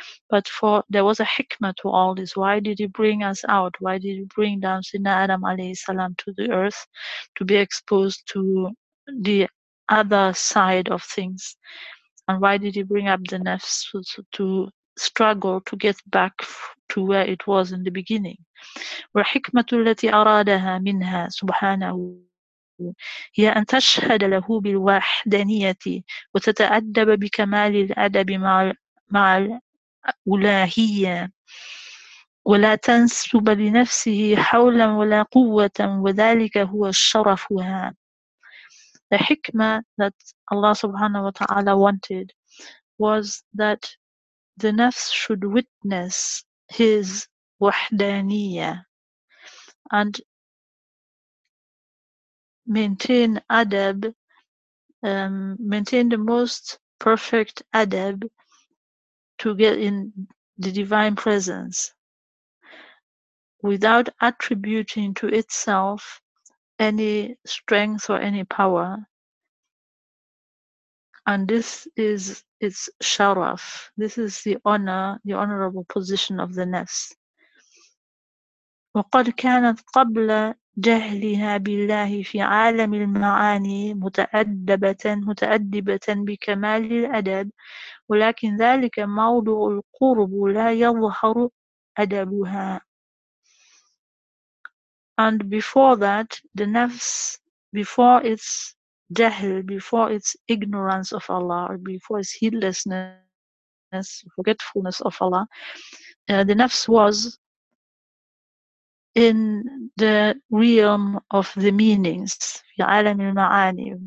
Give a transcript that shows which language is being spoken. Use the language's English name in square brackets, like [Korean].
[English] But for there was a hikmah to all this. Why did he bring us out? Why did he bring down Sina Adam alayhi salam to the earth to be exposed to the other side of things? And why did he bring up the nafs to struggle to get back to where it was in the beginning? [Arabic] وَالْحِكْمَةُ الَّتِي أَرَادَهَا مِنْهَا سُبْحَانَهُ هي أن تشهد له بالوحدانية وتتأدب بكمال الأدب مع الألهية ولا تنسب لنفسه حولا ولا قوة وذلك هو شرفها. [English] The hikmah that Allah subhanahu wa ta'ala wanted was that the nafs should witness his وحدانية and maintain adab, maintain the most perfect adab to get in the divine presence without attributing to itself any strength or any power. And this is its sharaf. This is the honor, the honorable position of the nafs. [Arabic] وَقَدْ كَانَتْ قَبْلَ جهلها بالله في عالم المعاني متأدبة بكمال الأدب ولكن ذلك موضع القرب لا يظهر أدبها. [English] And before that, the nafs, before its jahl, before its ignorance of Allah, or before its heedlessness, forgetfulness of Allah, the nafs was in the realm of the meanings, [Arabic] عَلَمِ الْمَعَانِي.